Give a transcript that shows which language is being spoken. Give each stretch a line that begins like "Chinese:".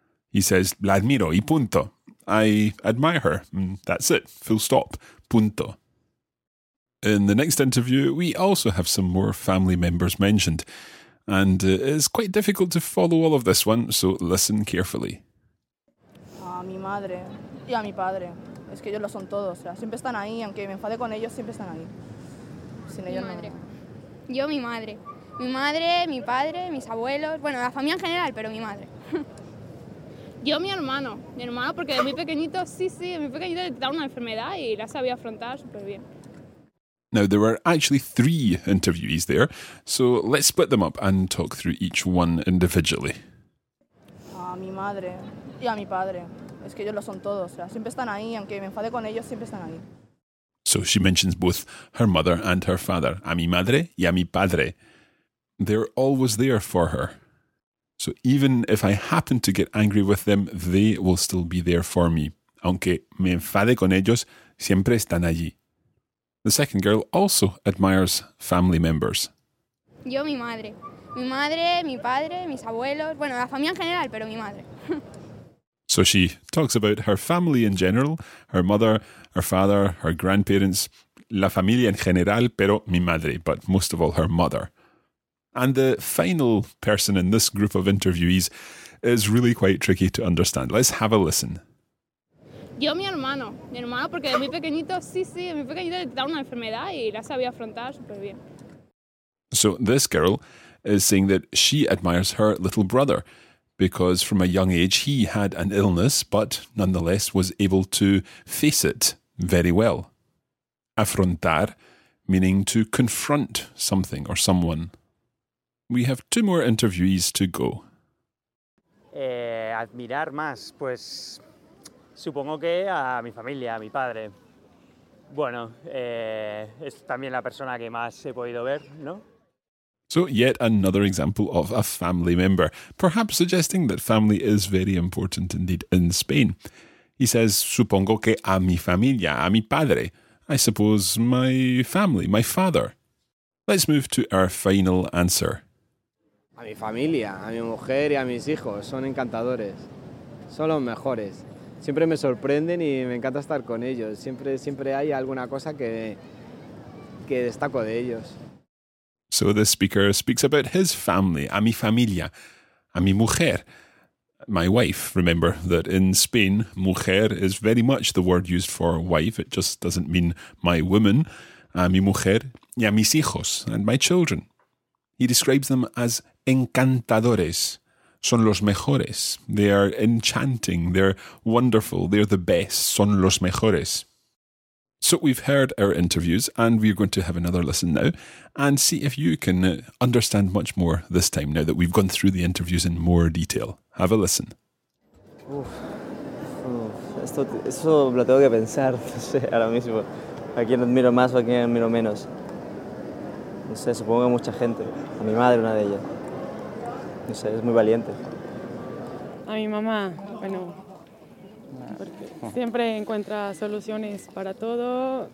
English: He says,
Spanish: la admiro y punto.
English: I admire her. That's it. Full stop. Punto. In the next interview, we also have some more family members mentioned. And it's quite difficult to follow all of this one, so listen carefully.
Spanish: Mi madre y a mi padre. Es que ellos lo son todos. O sea, siempre están ahí. Aunque me enfade con ellos, siempre están ahí. Sin ellos, mi madre. No. Yo, mi madre. Mi madre, mi padre, mis abuelos. Bueno, la familia en general, pero mi madre. Yo, mi hermano. Mi hermano, porque de muy pequeñito, sí, de muy pequeñito le trataron una enfermedad y la sabía afrontar súper bien.
English: Now, there were actually three interviewees there, so let's split them up and talk through each one individually.
Spanish: Mi madre y a mi padre. Es que ellos lo son todos. O sea, siempre están ahí, aunque me enfade con ellos, siempre están ahí.
English: So she mentions both her mother and her father.
Spanish: A mi madre y a mi padre.
English: They're always there for her. So even if I happen to get angry with them, they will still be there for me.
Spanish: Aunque me enfade con ellos, siempre están allí.
English: The second girl also admires family members.
Spanish: Yo, mi madre. Mi madre, mi padre, mis abuelos. Bueno, la familia en general, pero mi madre.
English: So she talks about her family in general, her mother, her father, her grandparents,
Spanish: la familia en general, pero mi madre,
English: but most of all her mother. And the final person in this group of interviewees is really quite tricky to understand. Let's have a listen.
Spanish: Yo, mi hermano, porque de muy pequeñito, sí, de muy pequeñito le trataron una enfermedad y la sabía afrontar súper bien.
English: So this girl is saying that she admires her little brother, because from a young age he had an illness, but nonetheless was able to face it very well. Afrontar, meaning to confront something or someone. We have two more interviewees to go.
Spanish: Admirar más, pues supongo que a mi familia, a mi padre. Bueno, es también la persona que más he podido ver, ¿no?
English: So yet another example of a family member, perhaps suggesting that family is very important indeed in Spain. He says,
Spanish: supongo que a mi familia, a mi padre.
English: I suppose my family, my father. Let's move to our final answer.
Spanish: A mi familia, a mi mujer y a mis hijos. Son encantadores. Son los mejores. Siempre me sorprenden y me encanta estar con ellos. Siempre hay alguna cosa que destaco de ellos.
English: So the speaker speaks about his family,
Spanish: a mi familia, a mi mujer.
English: My wife, remember that in Spain, mujer is very much the word used for wife. It just doesn't mean my woman.
Spanish: A mi mujer y a mis hijos,
English: and my children. He describes them as encantadores.
Spanish: Son los mejores.
English: They are enchanting. They're wonderful. They're the best.
Spanish: Son los mejores.
English: So we've heard our interviews, and we're going to have another listen now and see if you can understand much more this time, now that we've gone through the interviews in more detail. Have a listen.
Spanish: Esto lo tengo que pensar, no sé, ahora mismo. ¿A quién admiro más o a quién admiro menos? No sé, supongo que mucha gente. A mi madre, una de ellas. No sé, es muy valiente. A mi mamá, bueno, porque siempre encuentra soluciones para todo.